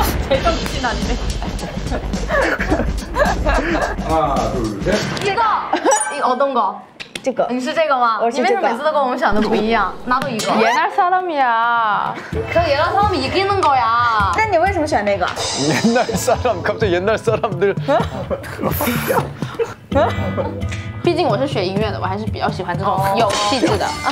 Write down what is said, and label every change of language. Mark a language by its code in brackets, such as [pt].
[ko] 하나둘셋 이거이거어떤거 [zh] 这个. 你是这个吗? 我是这个. 你为什么每次都跟我们想的不一样? [ko] 나도 이거. 옛날 사람이야. 그 옛날 사람이 이기는 거야. [zh] 那你为什么选那个? [ko] 옛날 사람, 갑자기 옛날 사람들. [zh] 毕竟我是学音乐的，我还是比较喜欢这种有气质的。